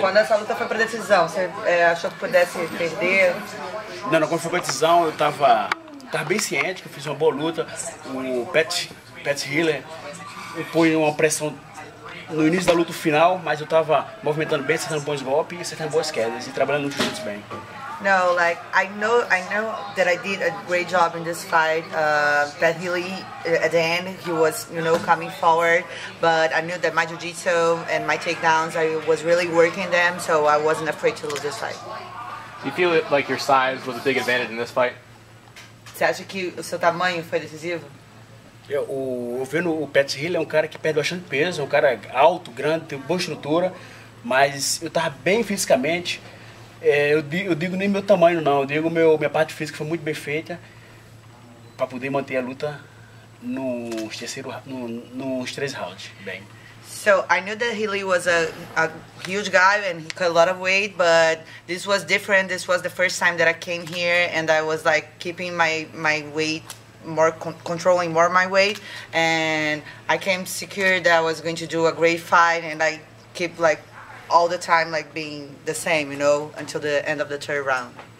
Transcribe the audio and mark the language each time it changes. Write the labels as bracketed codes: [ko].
[pt] Quando essa luta foi pra decisão, você achou que pudesse perder? Não, não, quando foi pra decisão, eu tava bem ciente que eu fiz uma boa luta. O Pat Healer põe uma pressão no início da luta final, mas eu tava movimentando bem, acertando bons golpes e acertando boas quedas e trabalhando muito juntos bem. [en] No, like, I know that I did a great job in this fight, but really, at the end, he was, you know, coming forward, but I knew that my jiu-jitsu and my takedowns, I was really working them, so I wasn't afraid to lose this fight. You feel like your size was a big advantage in this fight? [pt] Você acha que o seu tamanho foi decisivo? Eu vendo o Pat Hill, é um cara que perde bastante peso, é um cara alto, grande, tem boa estrutura, mas eu tava bem fisicamente. Eu digo nem meu tamanho não, eu digo minha parte física foi muito bem feita para poder manter a luta nos três rounds bem. [en] So I knew that Healy was a huge guy and he cut a lot of weight, but this was different. This was the first time that I came here and I was like keeping my weight more, controlling more my weight, and I came secure that I was going to do a great fight, and I keep like all the time like being the same, you know, until the end of the third round.